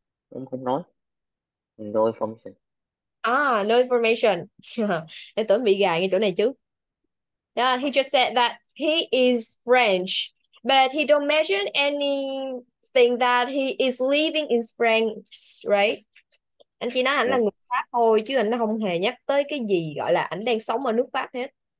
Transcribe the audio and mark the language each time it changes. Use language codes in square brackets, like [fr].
[vi] Cũng không nói mình đôi phong sinh [en] No information. [vi] Em tưởng bị gài ngay chỗ này chứ. [en] He just said that he is French, but he don't mention anything that he is living in France, right? [vi] Anh chỉ nói ảnh là người Pháp thôi, chứ anh không hề nhắc tới cái gì gọi là ảnh đang sống ở nước Pháp hết.